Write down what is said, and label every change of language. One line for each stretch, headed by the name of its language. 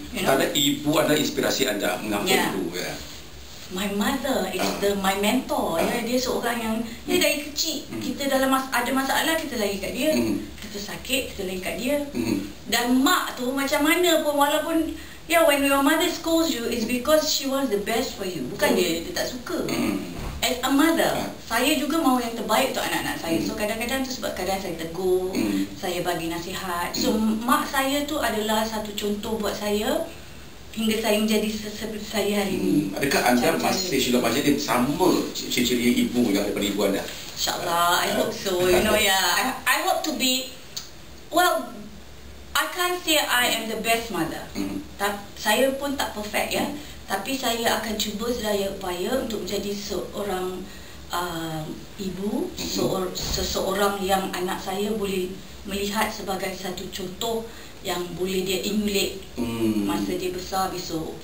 Malay: Ada ibu, ada inspirasi anda mengapa itu ya?
English: My mother is the my mentor.
Malay: Yeah, dia seorang yang dia dari kecil kita dalam ada masalah kita lari kat dia. Kita sakit kita lari kat dia. Dan mak tu macam mana pun walaupun
English: yeah when your mother scolds you is because she wants the best for you.
Malay: Bukan dia tak suka.
English: As a mother,
Malay: saya juga mahu yang terbaik untuk anak-anak saya. So kadang-kadang tu sebab kadang saya tegur, saya bagi nasihat. So mak saya tu adalah satu contoh buat saya. Hingga saya menjadi seperti saya hari ini. Adakah anda masih Sheila Majid sama ciri-ciri ibu yang daripada ibu anda?
English: InsyaAllah, I hope so. You know, yeah. I hope to be... Well, I can't say I am the best mother.
Malay: Saya pun tak perfect, ya. Tapi saya akan cuba sedaya upaya untuk menjadi seorang ibu, seseorang yang anak saya boleh melihat sebagai satu contoh yang boleh dia inulik masa dia besar besok.